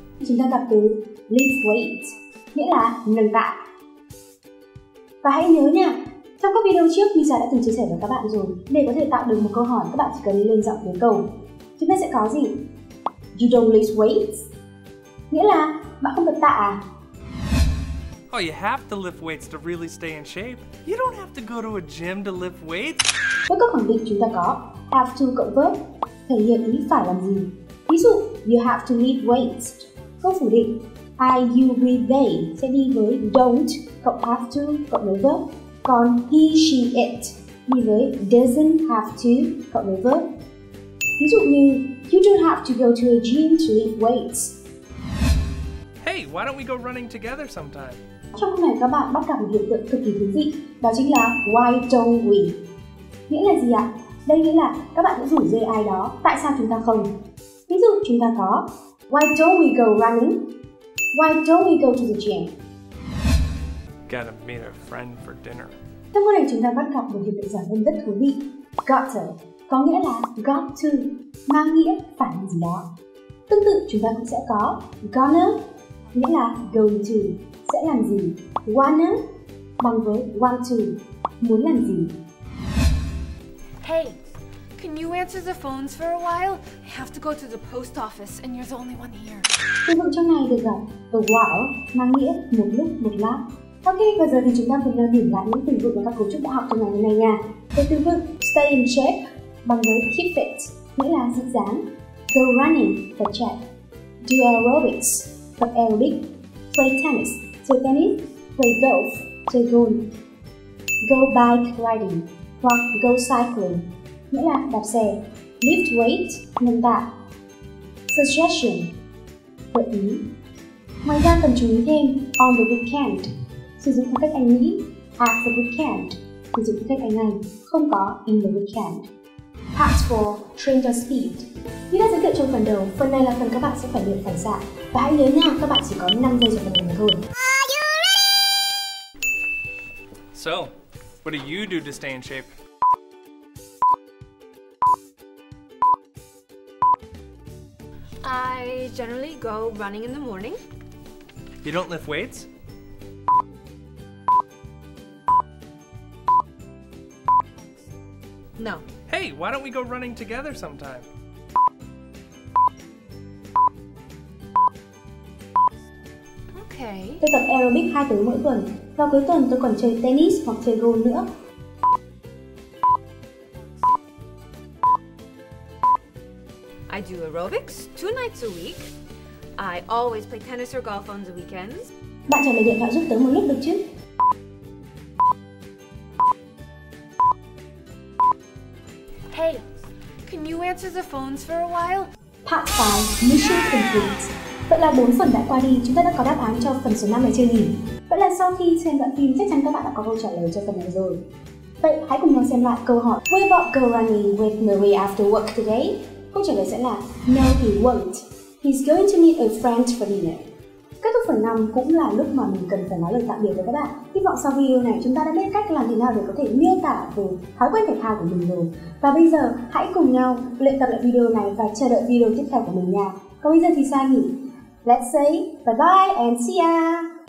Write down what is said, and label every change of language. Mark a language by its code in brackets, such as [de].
[vi] Chúng ta gặp từ lift weights, nghĩa là nâng tạ. Và hãy nhớ nha, trong các video trước Misa đã từng chia sẻ với các bạn rồi. Để có thể tạo được một câu hỏi, các bạn chỉ cần lên giọng cuối cùng. Chúng ta sẽ có gì? [en] You don't lose weight? [vi] Nghĩa là, bạn không cần tạ à? [en] Oh, you have to lift weights to really stay in shape. You don't have to go to a gym to lift weights. [vi] Với câu khẳng định chúng ta có have to cộng verb thể hiện ý phải làm gì. Ví dụ, [en] you have to lift weights. [vi] Câu phủ định I, you, we, they sẽ đi với don't cộng have to cộng với verb. Còn he, she, it đi với doesn't have to cộng với verb. Ví dụ như [en] you don't have to go to a gym to lift weights. Hey, why don't we go running together sometime? [vi] Trong câu này các bạn bắt gặp một hiện tượng cực kỳ thú vị, đó chính là [en] why don't we? [vi] Nghĩa là gì ạ? Đây nghĩa là các bạn sẽ rủ rê ai đó, tại sao chúng ta không? Ví dụ chúng ta có [en] why don't we go running? Why don't we go to the gym? Gotta meet a friend for dinner. [vi] Trong câu này chúng ta bắt gặp một hiện tượng giả ngôn rất thú vị. Got to có nghĩa là got to, mang nghĩa phải làm gì đó. Tương tự chúng ta cũng sẽ có gonna, nghĩa là going to, sẽ làm gì. Wanna, bằng với want to, muốn làm gì. [en] Hey, can you answer the phones for a while? I have to go to the post office and you're the only one here. [vi] Ví dụ trong này được gọi a while, mang nghĩa một lúc, một lát. Ok, và giờ thì chúng ta cùng nhau điểm lại những từ vựng và các cấu trúc đã học trong ngày hôm nay nha. Cái từ vựng stay in shape bằng với keep fit, nghĩa là giữ dáng. Go running, tập chạy. Do aerobics, tập aerobic. Play tennis, chơi tennis. Play golf, chơi golf. Go bike riding hoặc go cycling, nghĩa là đạp xe. Lift weight, nâng tạ. Suggestion, gợi ý. Ngoài ra cần chú ý thêm on the weekend, sử dụng phong cách Anh Mỹ. At the weekend, sử dụng phong cách Anh Anh. Không có in the weekend. Part 4, [en] train your speed. [vi] Như đã giới thiệu trong phần đầu, phần này là phần các bạn sẽ phải luyện phản xạ. Và hãy nhớ nha, các bạn chỉ có 5 giây cho phần này thôi. [en] So, what do you do to stay in shape? I generally go running in the morning. You don't lift weights? No. Hey, why don't we go running together sometime? Okay. [vi] Tôi tập aerobic 2 tiếng mỗi tuần. Vào cuối tuần tôi còn chơi tennis hoặc chơi golf nữa. [en] I do aerobics 2 nights a week. I always play tennis or golf on the weekends. [vi] Bạn trả lời điện thoại giúp tớ một lúc được chứ? [en] Hey, can you answer the phones for a while? Part 5, mission complete. [vi] Vậy là 4 phần đã qua đi, chúng ta đã có đáp án cho phần số 5 này chưa nhỉ? Vậy là sau khi xem đoạn phim, chắc chắn các bạn đã có câu trả lời cho phần này rồi. Vậy hãy cùng nhau xem lại câu hỏi [en] "We won't go running with Marie after work today?" [vi] Câu trả lời sẽ là [en] "No, he won't. He's going to meet a friend for dinner." [vi] Kết thúc phần 5 cũng là lúc mà mình cần phải nói lời tạm biệt với các bạn. Hy vọng sau video này chúng ta đã biết cách làm thế nào để có thể miêu tả về thói quen thể thao của mình rồi. Và bây giờ hãy cùng nhau luyện tập lại video này và chờ đợi video tiếp theo của mình nha. Còn bây giờ thì sao nhỉ? [en] Let's say bye bye and see ya!